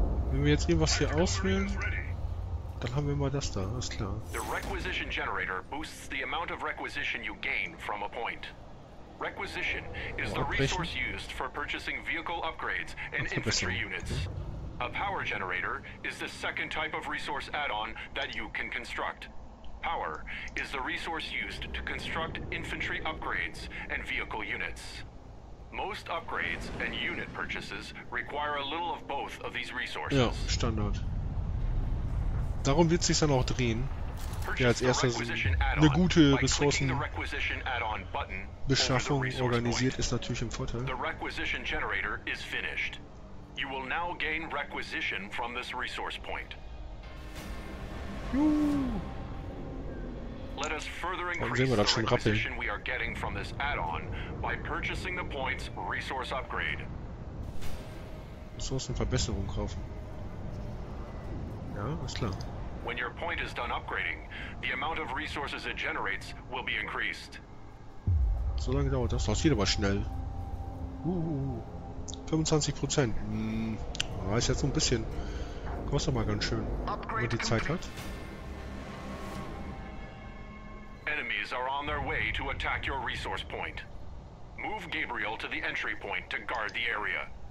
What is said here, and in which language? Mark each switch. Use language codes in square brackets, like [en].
[de] Wenn wir jetzt irgendwas hier auswählen, dann haben wir mal das da, alles klar. [en] The requisition generator boosts the amount of requisition you gain from a point. Requisition is the resource used for purchasing vehicle upgrades and infantry units. A power generator is the second type of resource add-on that you can construct. Power is the resource used to construct infantry upgrades and vehicle units. Most upgrades and unit purchases require a little of both of these resources. [de] Ja, Standard. Darum wird sich dann auch drehen. Ja, als erstes eine gute Ressourcenbeschaffung organisiert ist natürlich im Vorteil. [en] The requisition generator is finished. You will now gain requisition from this resource point. Let us further increase the requisition we are getting from this add-on by purchasing the points resource upgrade. [de] Ressourcenverbesserung kaufen. Ja, ist klar. [en] When your point is done upgrading, the amount of resources it generates will be increased. [de] So lange dauert das? Das geht aber schnell. 25%. Ist jetzt so ein bisschen. Kostet mal ganz schön, wenn man die Zeit hat. [en] Enemies are on their way to attack your resource point. Move Gabriel to the entry point to guard the area.